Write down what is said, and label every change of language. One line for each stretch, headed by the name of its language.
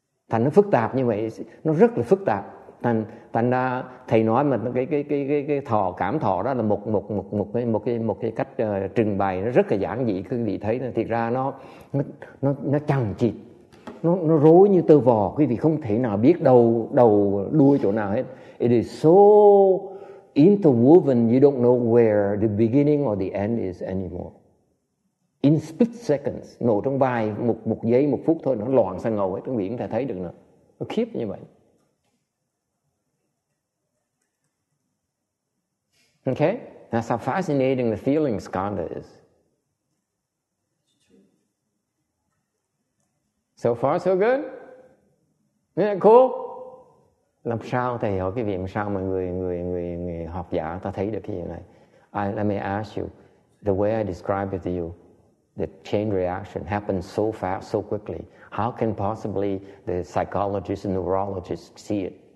Vietnamese: Thành nó phức tạp như vậy, nó rất là phức tạp. Thành ra thầy nói mà cái thọ cảm thọ đó là một cái cách trình bày nó rất là giản dị, quý vị thấy là thiệt ra nó chằng chịt. Nó rối như tơ vò, quý vị không thể nào biết đầu đuôi chỗ nào hết.
English: It is so interwoven, you don't know where the beginning or the end is anymore. In split seconds,
Vietnamese: nổ trong vài một giây, một phút thôi, nó loạn sang ngầu hết, quý vị không thể thấy được nữa. Nó khiếp như vậy.
English: Okay? That's how fascinating the feeling skandha is. So far, so good. Isn't that cool?
Vietnamese: Làm sao thầy hỏi cái việc sao mà người học giả ta thấy được cái gì này?
English: Let me ask you, the way I describe it to you, the chain reaction happens so fast, so quickly. How can possibly the psychologists and neurologists see it?